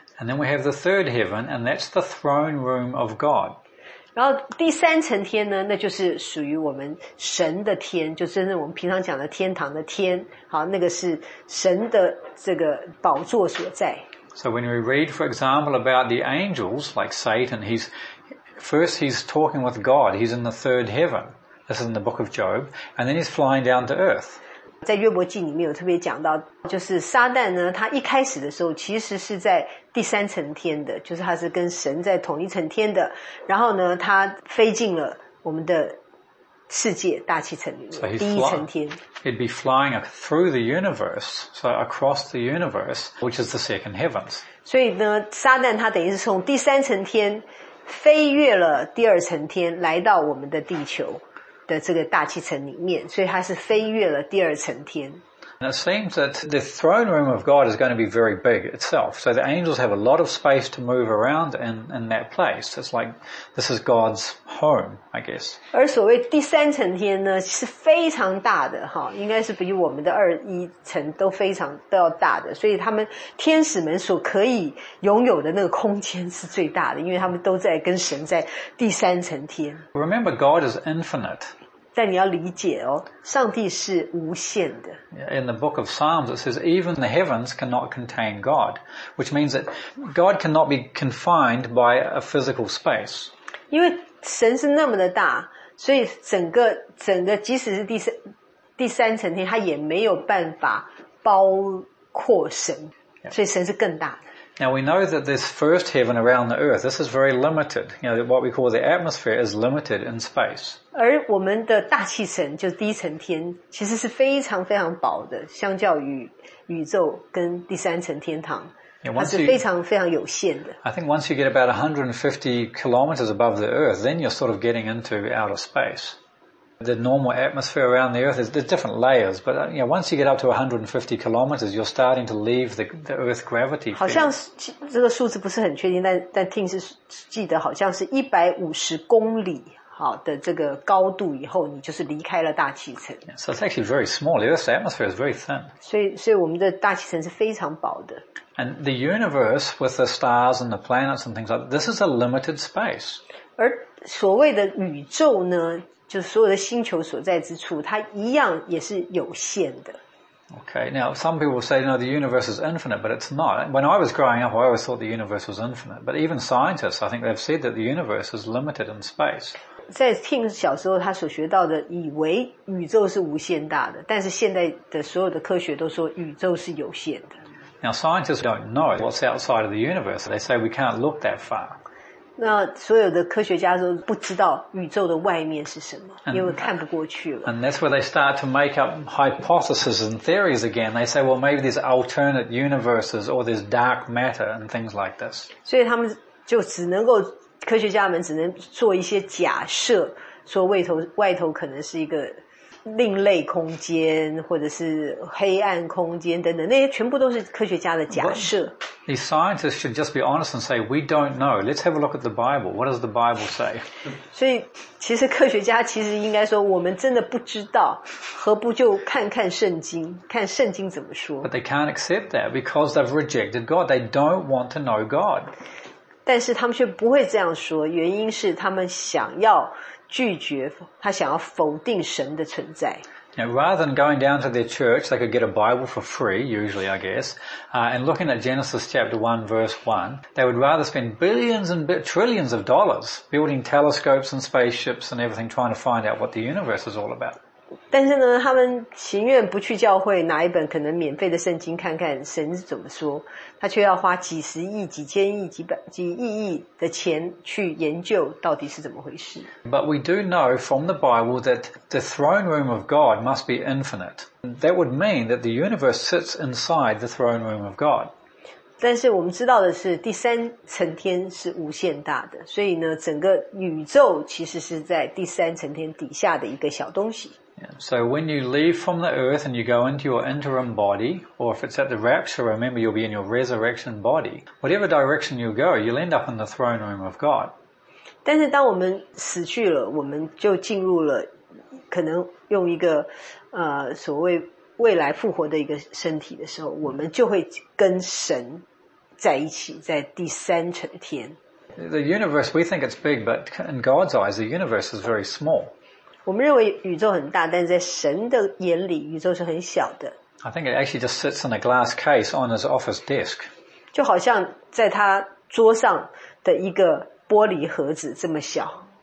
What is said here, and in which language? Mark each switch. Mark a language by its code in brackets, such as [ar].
[en] And then we have the third heaven, and that's the throne room of God. [zh] 然后第三层天呢，那就是属于我们神的天，就真正我们平常讲的天堂的天。好，那个是神的这个宝座所在。 [en] So when we read, for example, about the angels like Satan, he's talking with God. He's in the third heaven. This is in the book of Job, and then he's flying down to earth. [zh] 在约伯记里面有特别讲到，就是撒旦呢，他一开始的时候其实是在第三层天的，就是他是跟神在同一层天的，然后呢他飞进了我们的世界大气层里面，第一层天。 [en] He'd be flying through the universe, so across the universe, which is the second heavens. [zh] 所以呢，撒旦他等于是从第三层天飞越了第二层天，来到我们的地球的这个大气层里面，所以他是飞越了第二层天。 [en] And it seems that the throne room of God is going to be very big itself. So the angels have a lot of space to move around in that place. It's like this is God's home, I guess. [zh] 而所谓第三层天呢，是非常大的哈，应该是比我们的二一层都非常都要大的。所以他们天使们所可以拥有的那个空间是最大的，因为他们都在跟神在第三层天。 [en] Remember, God is infinite. [zh] 但你要理解哦，上帝是无限的。 [en] In the book of Psalms, it says even the heavens cannot contain God, which means that God cannot be confined by a physical space. [zh] 因为神是那么的大，所以整个即使是第三层天，他也没有办法包括神，所以神是更大的。 [en] Now we know that this first heaven around the earth, this is very limited. You know, what we call the atmosphere is limited in space. [zh] 而我们的大气层就是第一层天其实是非常非常薄的相较于宇宙跟第三层天堂。它是非常非常有限的。 [en] I think once you get about 150 kilometers above the earth, then you're sort of getting into outer space. The normal atmosphere around the Earth is there's different layers, but you know, once you get up to 150 kilometers, you're starting to leave the Earth gravity field. [zh] 好像这个数字不是很确定，但听是记得好像是150公里好的这个高度以后，你就是离开了大气层。 [en] So it's actually very small. The Earth's atmosphere is very thin. [zh] 所以我们的大气层是非常薄的。 [en] And the universe with the stars and the planets and things like that, this is a limited space. [zh] 而所谓的宇宙呢？就是所有的星球所在之处，它一样也是有限的。 [en] Okay, now some people say, no, the universe is infinite, but it's not. When I was growing up, I always thought the universe was infinite. But even scientists, I think they've said that the universe is limited in space. [zh] 在 Tim 小时候他所学到的，以为宇宙是无限大的，但是现在的所有的科学都说宇宙是有限的。 [en] Now scientists don't know what's outside of the universe. They say we can't look that far. [zh] 那所有的科学家都不知道宇宙的外面是什么 [en] and, [zh] 因为看不过去了。 [en] And that's where they start to make up hypotheses and theories again. They say, well, maybe there's alternate universes or there's dark matter and things like this. [zh] 所以他们就只能够科学家们只能做一些假设说外头可能是一个另类空间或者是黑暗空间等等那些全部都是科学家的假设。 [en] These scientists should just be honest and say, we don't know. Let's have a look at the Bible. What does the Bible say? [zh] 所以其实科学家其实应该说我们真的不知道何不就看看圣经看圣经怎么说。 [en] But they can't accept that because they've rejected God. They don't want to know God. [zh] 但是他们却不会这样说原因是他们想要拒绝他想要否定神的存在。 [en] Now, rather than going down to their church, they could get a Bible for free, usually, I guess, and looking at Genesis chapter 1, verse 1, they would rather spend billions and trillions of dollars building telescopes and spaceships and everything trying to find out what the universe is all about. [zh] 但是呢他们情愿不去教会拿一本可能免费的圣经看看神是怎么说他却要花几十亿几千亿几百几亿亿的钱去研究到底是怎么回事。 [en] But we do know from the Bible that the throne room of God must be infinite. That would mean that the universe sits inside the throne room of God. [zh] 但是我们知道的是第三层天是无限大的所以呢整个宇宙其实是在第三层天底下的一个小东西。 [en] So when you leave from the earth and you go into your interim body, or if it's at the rapture, remember you'll be in your resurrection body. Whatever direction you go, you'll end up in the throne room of God. [zh] 但是当我们死去了，我们就进入了可能用一个所谓未来复活的一个身体的时候，我们就会跟神在一起，在第三层天。 [en] The universe, we think it's big, but in God's eyes, the universe is very small. [zh] 我们认为宇宙很大但在神的眼里宇宙是很小的。 [en] I think it actually just sits in a glass case on his office desk. [zh] 就好像在他桌上的一个玻璃盒子这么小。